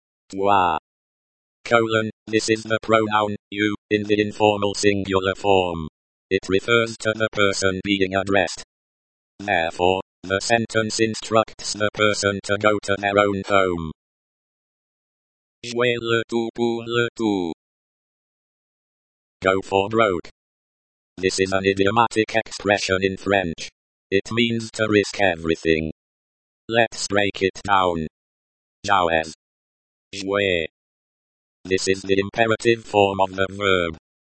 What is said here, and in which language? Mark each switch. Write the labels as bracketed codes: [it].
[fr] Toi. [en] Colon, this is the pronoun, you, in the informal singular form. It refers to the person being addressed. Therefore, the sentence instructs the person to go to their own home. [fr] Jouer le tout pour le tout. [en] Go for broke. This is an idiomatic expression in French. It means to risk everything. Let's break it down. Jouer. [fr] Jouer. [en] This is the imperative form of the verb.